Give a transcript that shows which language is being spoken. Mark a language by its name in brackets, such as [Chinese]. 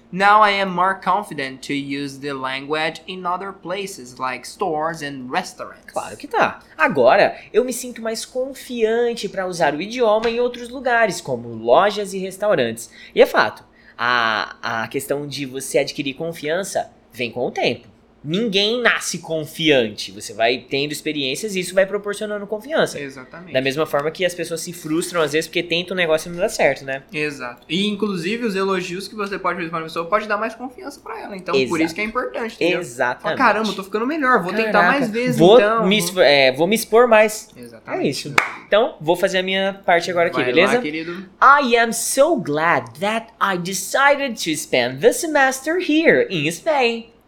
[English] Now I am more confident to use the language in other places, like stores and restaurants. [Portuguese] Claro que tá. Agora, eu me sinto mais confiante pra usar o idioma em outros lugares, como lojas e restaurantes. E é fato, a questão de você adquirir confiança vem com o tempo. Ninguém nasce confiante. Você vai tendo experiências e isso vai proporcionando confiança. Exatamente. Da mesma forma que as pessoas se frustram às vezes porque tentam um negócio e não dá certo, né? Exato. E inclusive os elogios que você pode fazer pra uma pessoa pode dar mais confiança pra ela. Então, exato. Por isso que é importante. Exatamente. Fala, caramba, eu tô ficando melhor. Vou Caraca. Tentar mais vezes, vou então. Vou me expor mais. Exatamente. É isso. Então, vou fazer a minha parte agora aqui, vai beleza? Lá, querido. [English] I am so glad that I decided to spend the semester here in Spain.